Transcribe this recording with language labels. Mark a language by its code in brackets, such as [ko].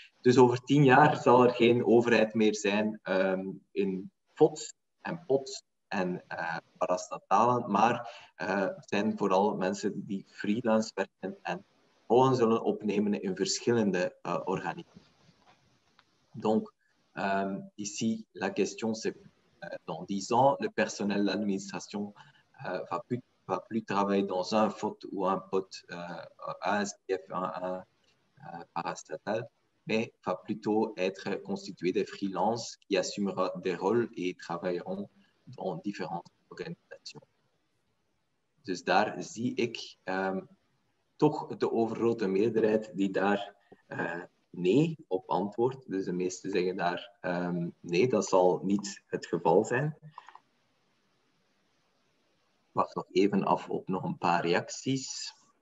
[nl] Dus over 10 jaar zal er geen overheid meer zijn in FOTS en POTS en parastatalen, maar zijn vooral mensen die freelance werken en rollen zullen opnemen in verschillende organisaties. [fr] Donc, ici, la question c'est dans 10 ans, le personnel d'administration va plus travailler dans un FOT ou un POT, un SPF, un parastatal, mais va plutôt être constitué de freelance qui assumera des rôles et travailleront dans différentes organisations. [nl] Dus daar zie ik toch de overgrote meerderheid die daar nee op antwoordt. Dus de meesten zeggen daar nee, dat zal niet het geval zijn. Wacht nog even af op nog een paar reacties.